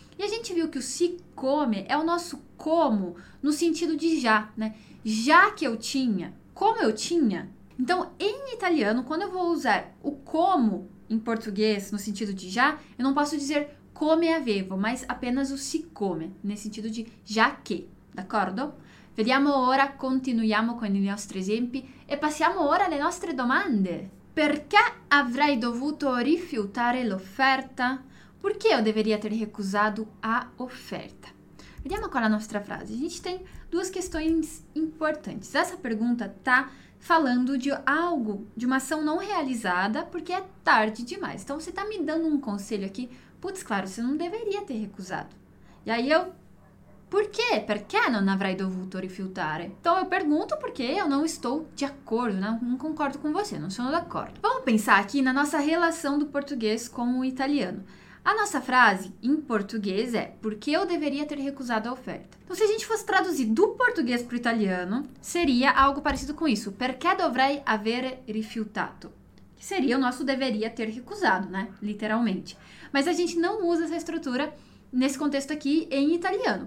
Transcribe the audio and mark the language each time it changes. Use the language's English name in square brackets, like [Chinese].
[Portuguese] E a gente viu que o sicome é o nosso como no sentido de já, né? Já que eu tinha, como eu tinha. Então, em italiano, quando eu vou usar o como em português no sentido de já, eu não posso dizer [Italian] come avevo, [Portuguese] mas apenas o siccome, nesse sentido de já che, d'accordo? [Italian] Vediamo ora, continuiamo con i nostri esempi e passiamo ora alle nostre domande. Perché avrei dovuto rifiutare l'offerta? Perché io dovrei aver rifiutato l'offerta? Vediamo qua a nostra frase. [Portuguese] A gente tem duas questões importantes. Essa pergunta tá falando de algo, de uma ação não realizada, porque é tarde demais. Então você tá me dando um conselho aqui. Putz, claro, você não deveria ter recusado. E aí eu, por quê? [Italian] Perché non avrei dovuto rifiutare? [Portuguese] Então eu pergunto porque eu não estou de acordo, né? Não concordo com você, [Italian] não sono d'accordo. [Portuguese] Vamos pensar aqui na nossa relação do português com o italiano. A nossa frase em português é por que eu deveria ter recusado a oferta? Então, se a gente fosse traduzir do português para o italiano, seria algo parecido com isso. [Italian] Perché dovrei aver rifiutato? [Portuguese] Que seria o nosso deveria ter recusado, né? Literalmente. Mas a gente não usa essa estrutura nesse contexto aqui em italiano.